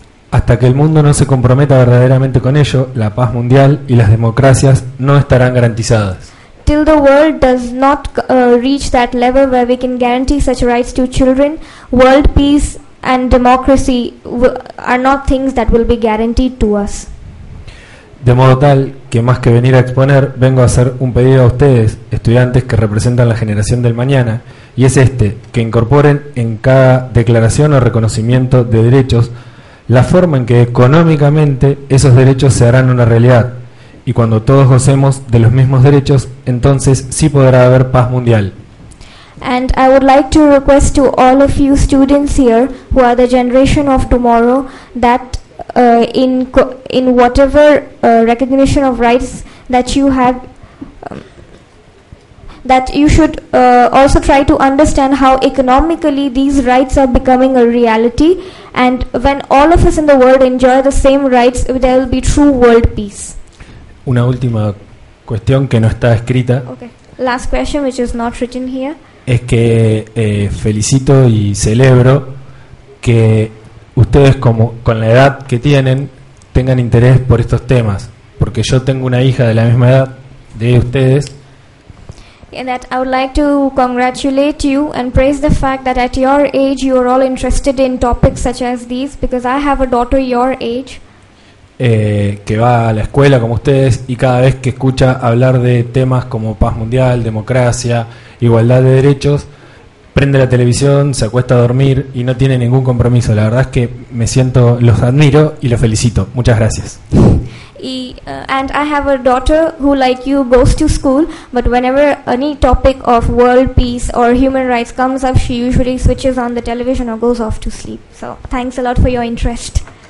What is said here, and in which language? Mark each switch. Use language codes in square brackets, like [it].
[es] Hasta que el mundo no se comprometa verdaderamente con ello, la paz mundial y las democracias no estarán garantizadas. [en] Till the world does not reach that level where we can guarantee such rights to children, world peace and democracy are not things that will be guaranteed to us. [es] De modo tal que más que venir a exponer, vengo a hacer un pedido a ustedes, estudiantes que representan la generación del mañana, y es este, que incorporen en cada declaración o reconocimiento de derechos la forma en que económicamente esos derechos se harán una realidad, y cuando todos gocemos de los mismos derechos, entonces sí podrá haber paz mundial. [en] And I would like to request to all of you students here who are the generation of tomorrow that in whatever recognition of rights that you have, that you should also try to understand how economically these rights are becoming a reality, and when all of us in the world enjoy the same rights, there will be true world peace. [es] Una última cuestión que no está escrita. [en] Okay. Last question which is not written here. [es] Es que felicito y celebro que ustedes, como con la edad que tienen, tengan interés por estos temas, porque yo tengo una hija de la misma edad de ustedes. [en] And that I would like to congratulate you and praise the fact that at your age you are all interested in topics such as these, because I have a daughter your age. [es] Que va a la escuela como ustedes y cada vez que escucha hablar de temas como paz mundial, democracia, igualdad de derechos, prende la televisión, se acuesta a dormir y no tiene ningún compromiso. La verdad es que me siento, los admiro y los felicito. Muchas gracias. [en] And I have a daughter who, like you, goes to school, but whenever any topic of world peace or human rights comes up, she usually switches on the television or goes off to sleep. So thanks a lot for your interest.